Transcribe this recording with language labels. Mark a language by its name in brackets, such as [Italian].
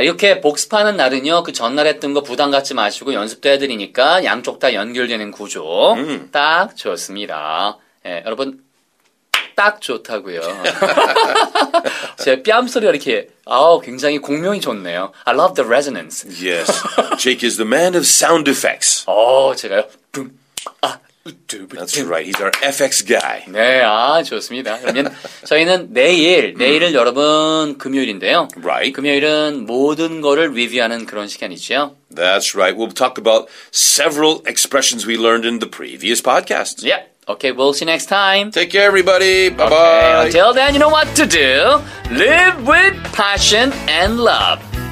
[Korean] 이렇게 복습하는 날은요, 그 전날 했던 거 부담 갖지 마시고 연습도 해드리니까 양쪽 다 연결되는 구조. 딱 좋습니다. 네, 여러분, 딱 좋다고요. 제 뺨소리가 이렇게 아우, 굉장히 공명이 좋네요. [English] I love the resonance. Yes, Jake is the man of sound effects. [Korean] 오, 제가요? 둠, 아. [English] That's right. He's our FX guy. [Korean] 네, 아 좋습니다. 그러면 저희는 내일은 여러분 금요일인데요. [English] Right. [Korean] 금요일은 모든 거를 리뷰하는 그런 시간이죠. [English] That's right. We'll talk about several expressions we learned in the previous podcast. Yeah. Okay. We'll see you next time. Take care, everybody. Bye bye. Okay. Until then, you know what to do. Live with passion and love.